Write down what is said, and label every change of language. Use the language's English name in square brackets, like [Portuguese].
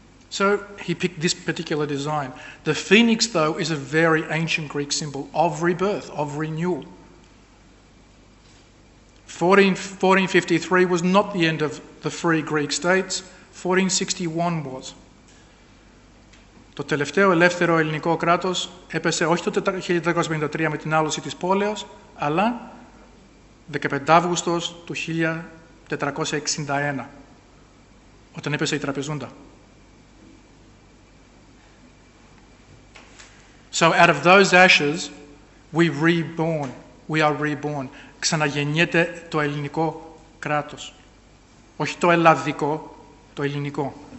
[English] So he picked this particular design. The phoenix, though, is a very ancient Greek symbol of rebirth, of renewal. 1453 was not the end of the free Greek states. 1461 was. [Greek] Το τελευταίο ελεύθερο ελληνικό κράτος έπεσε όχι το 1453 με την άλωση της πόλεως, αλλά 15 Αύγουστος του 1461, όταν έπεσε η Τραπεζούντα. [English] So out of those ashes, we reborn. We are reborn. [Greek] Ξαναγεννιέται το ελληνικό κράτος. Όχι το ελλαδικό, το ελληνικό.